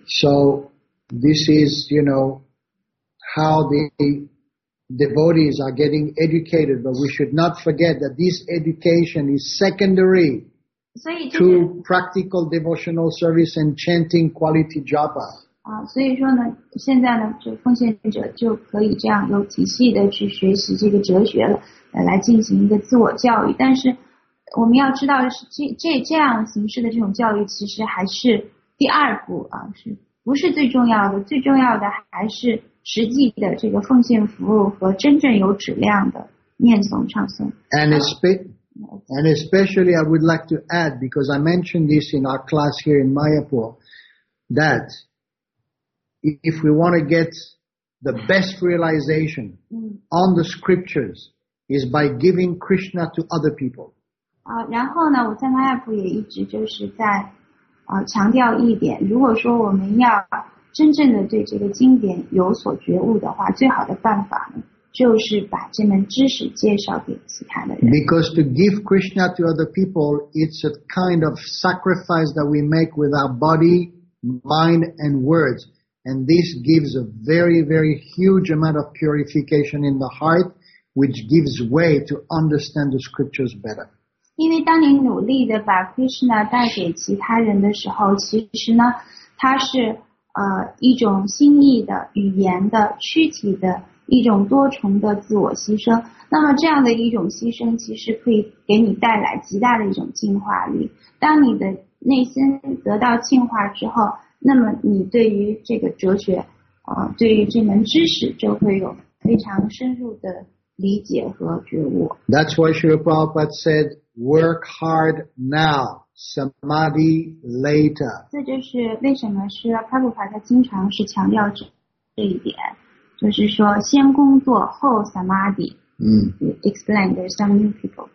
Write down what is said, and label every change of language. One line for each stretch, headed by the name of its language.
English: So this is, you know, how the... devotees are getting educated, but we should not forget that this education is secondary to practical devotional service and chanting quality japa.
Chinese: 所以说呢，现在呢，就奉献者就可以这样有体系的去学习这个哲学了，来进行一个自我教育。但是我们要知道的是，这样形式的这种教育其实还是第二步啊，是不是最重要的？最重要的还是。实际的这个奉献服务和真正有质量的念诵唱诵。
English: And especially I would like to add, because I mentioned this in our class here in Mayapur, that if we want to get the best realization on the scriptures is by giving Krishna to other people.
Chinese: 然后呢我在 Mayapur 也一直就是在强调一点，如果说我们要真正的对这个经典有所觉悟的话，最好的办法呢，就是把这门知识介绍给其他的人。
English: Because to give Krishna to other people, it's a kind of sacrifice that we make with our body, mind, and words. And this gives a very, very huge amount of purification in the heart, which gives way to understand the scriptures better.
Chinese: 因为当你努力的把 Krishna 带给其他人的时候，其实呢，他是一种心意的语言的躯体的一种多重的自我牺牲，那么这样的一种牺牲其实可以给你带来极大的一种净化力。当你的内心得到净化之后，那么你对于这个哲学对于这门知识就会有非常深入的理解和觉悟。
English: That's why Srila Prabhupada said work hard nowSamadhi later.
Chinese: 这就是为什么是帕布帕他经常是强调这一点，就是说先工作后 Samadhi.
English: Explain, there's some new people.